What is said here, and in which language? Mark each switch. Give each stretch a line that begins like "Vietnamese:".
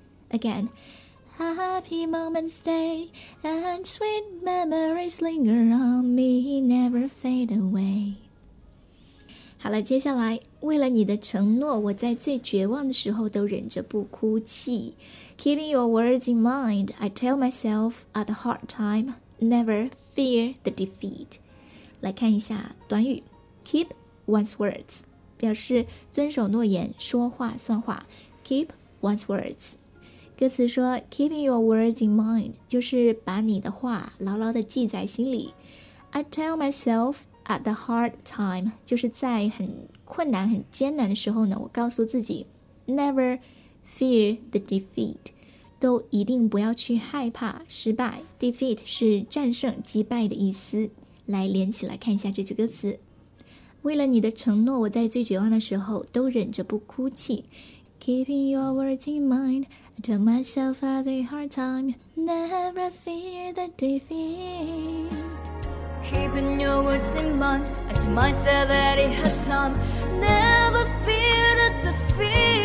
English: Again, happy moments stay and sweet memories linger on me, never fade away.
Chinese: 好了，接下来为了你的承诺，我在最绝望的时候都忍着不哭泣。
English: Keeping your words in mind, I tell myself at the hard time, never fear the defeat.
Chinese: 来看一下短语 ,
English: keep one's words,
Chinese: 表示遵守诺言，说话算话。
English: Keep one's words.
Chinese: 歌词说 ,
English: keeping your words in mind,
Chinese: 就是把你的话牢牢地记在心里。
English: I tell myself at the hard time,
Chinese: 就是在很困难很艰难的时候呢，我告诉自己 ,
English: never,Fear the defeat,
Chinese: 都一定不要去害怕失败。 Defeat 是战胜、击败的意思。来连起来看一下这句歌词。为了你的承诺，我在最绝望的时候都忍着不哭泣。
English: Keeping your words in mind, I tell myself at the hard time, never fear the defeat. Keeping your words in mind, I tell myself at the hard time, never fear the defeat.